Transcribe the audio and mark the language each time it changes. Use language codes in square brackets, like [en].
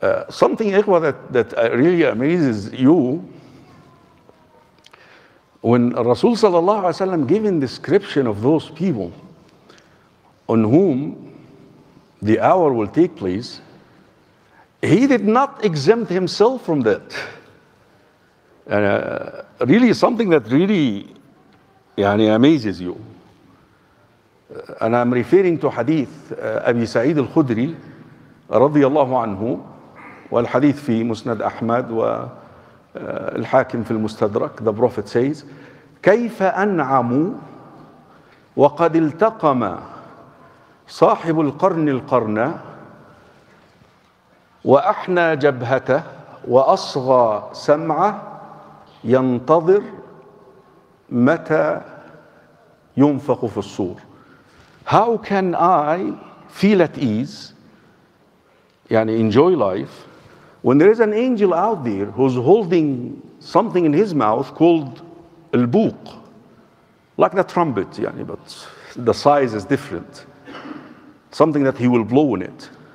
[en] Something, Ikhwa, that really amazes you, when Rasul sallallahu alayhi wa sallam given description of those people on whom the hour will take place, he did not exempt himself from that. Really something that really يعني amazes you. And I'm referring to hadith [ar] Abi Sa'id al-Khudri رضي الله عنه والحديث في مسند أحمد والحاكم في المستدرك. [en] The Prophet says, [ar] كيف أنعم وقد التقم صاحب القرن القرن وأحنى جبهته وأصغى سمعه ينتظر متى ينفخ في الصور. [en] How can I feel at ease, يعني enjoy life, when there is an angel out there who's holding something in his mouth called البوق, like the trumpet, يعني, but the size is different, something that he will blow in it.